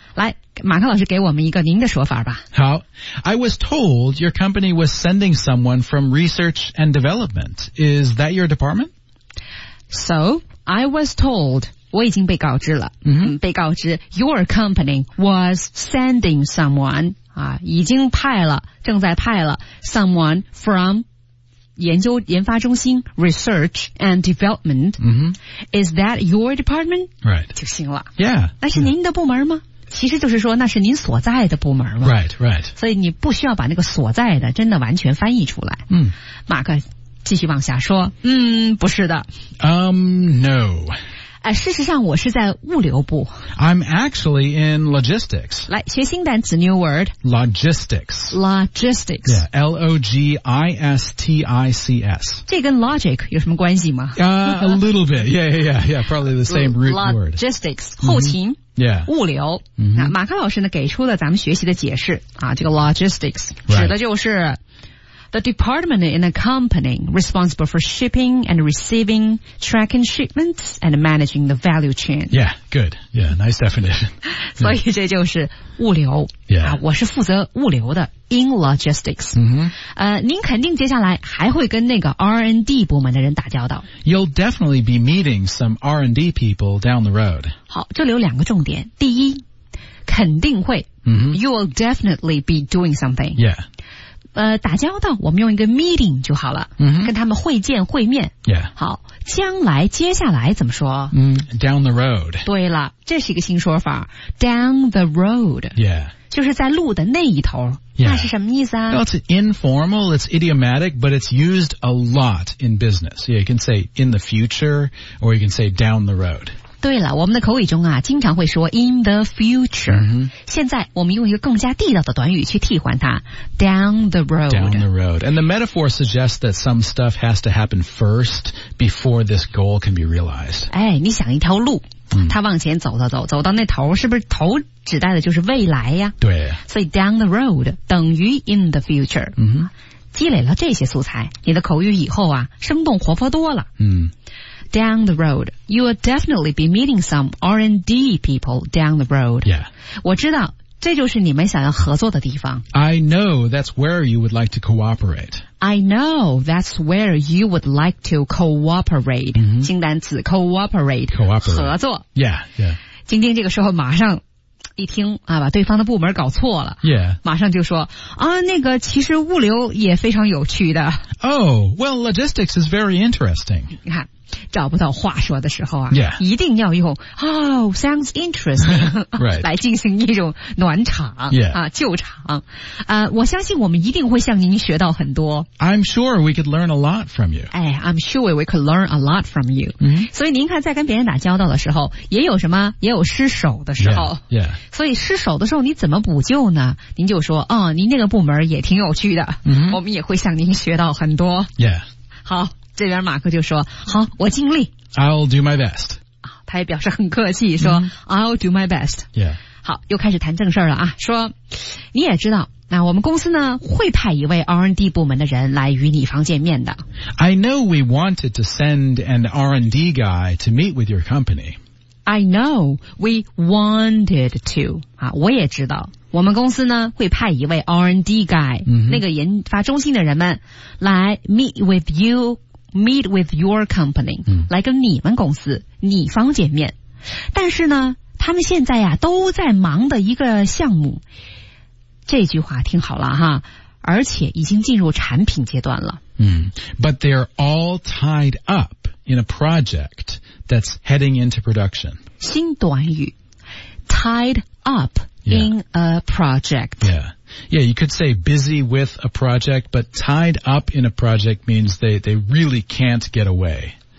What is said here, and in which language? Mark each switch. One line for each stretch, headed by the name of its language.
Chinese: 来，马克老师给我们一个您的说法吧。
English: 好， I was told your company was sending someone from research and development. Is that your department? So, I was told,
Chinese: 我已经被告知了，被告知
English: your company was sending someone,
Chinese: 已经派了，正在派了
English: someone from
Chinese: 研发中心
English: research and development、is that your department? Right.
Chinese: 就行了。
English: Yeah.
Chinese: 那是您的部门吗？其实就是说那是您所在的部门吗？
English: Right, right.
Chinese: 所以你不需要把那个所在的真的完全翻译出来。马克继续往下说。不是的。
English: No.
Chinese: 事实上我是在物流部。
English: I'm actually in logistics.
Chinese: 来学新单词
English: new word. Logistics. Logistics. Yeah, L-O-G-I-S-T-I-C-S.
Chinese: 这跟 logic 有什么关系吗？
English: A little bit. Yeah. Probably the same root word.
Chinese: Logistics, 后勤。
English: Mm-hmm. Yeah.
Chinese: 物流、 mm-hmm. 那马克老师呢给出了咱们学习的解释啊，这个 logistics 指的就是、
English: right. the department in a company responsible for shipping and receiving, tracking shipments and managing the value chain. Yeah, good. Yeah, nice definition.
Chinese: 所以这就是物流、
English: yeah.
Chinese: 啊，我是负责物流的
English: in logistics、 mm-hmm.
Chinese: 您肯定接下来还会跟那个 R&D 部门的人打交道。
English: You'll definitely be meeting some R&D people down the road.
Chinese: 好，这里有两个重点。第一，肯定会、 mm-hmm.
English: You will definitely be doing something. Yeah.
Chinese: 打交道我们用一个 meeting 就好了、 mm-hmm. 跟他们会见会面。
English: Yeah.
Chinese: 好，将来接下来怎么说、
English: mm-hmm. Down the road.
Chinese: 对了，这是一个新说法，
English: down the road. Yeah.
Chinese: 就是在路的那一头、
English: yeah.
Chinese: 那是什么意思啊？
English: Well, it's informal, it's idiomatic, but it's used a lot in business. Yeah, you can say in the future, or you can say down the road.
Chinese: 对了，我们的口语中啊，经常会说
English: in the future.、 Mm-hmm.
Chinese: 现在我们用一个更加地道的短语去替换它，
English: down the road. Down the road. And the metaphor suggests that some stuff has to happen first before this goal can be realized.
Chinese: 哎，你想一条路。他往前走走走走到那头，是不是头指代的就是未来呀？对，所以
English: down the road
Chinese: 等于
English: in the future、 mm-hmm.
Chinese: 积累了这些素材，你的口语以后啊生动活泼多了、 mm-hmm.
English: down the road you will definitely be meeting some R&D people down the road、 yeah.
Chinese: 我知道这就是你们想要合作的地方。
English: I know that's where you would like to cooperate. I know that's where you would like to cooperate.
Chinese: 新单词 cooperate,
English: cooperate
Chinese: 合作。
English: Yeah, yeah.
Chinese: 今天这个时候马上一听啊，把对方的部门搞错了。
English: Yeah.
Chinese: 马上就说啊，那个其实物流也非常有趣的。
English: Oh, well, logistics is very interesting.
Chinese: 你看找不到话说的时候啊、
English: yeah.
Chinese: 一定要用
English: Oh, sounds interesting 、right.
Chinese: 来进行一种暖场、
English: yeah.
Chinese: 啊，救场、我相信我们一定会向您学到很多。
English: I'm sure we could learn a lot from you. I'm sure we could learn a lot from you、 mm-hmm.
Chinese: 所以您看在跟别人打交道的时候也有什么，也有失手的时候、
English: yeah. Yeah.
Chinese: 所以失手的时候你怎么补救呢？您就说哦，您那个部门也挺有趣的、 mm-hmm. 我们也会向您学到很多、
English: yeah.
Chinese: 好，这边马克就说好，我尽力。
English: I'll do my best.
Chinese: 他也表示很客气说、mm-hmm.
English: I'll do my best. Yeah.
Chinese: 好，又开始谈正事了啊，说你也知道那我们公司呢会派一位 R&D 部门的人来与你方见面的。
English: I know we wanted to send an R&D guy to meet with your company. I know we wanted to.
Chinese: 我也知道我们公司呢会派一位 R&D guy、 mm-hmm. 那个研发中心的人们来
English: meet with youMeet with your company、嗯、
Chinese: 来跟你们公司你方见面，但是呢他们现在呀都在忙的一个项目，这句话听好了哈，而且已经进入产品阶段了、
English: 嗯、But they're all tied up in a project that's heading into production.
Chinese: 新短语
English: tied up in、 yeah. a project. Yeah, you could say busy with a project, but tied up in a project means they really can't get away.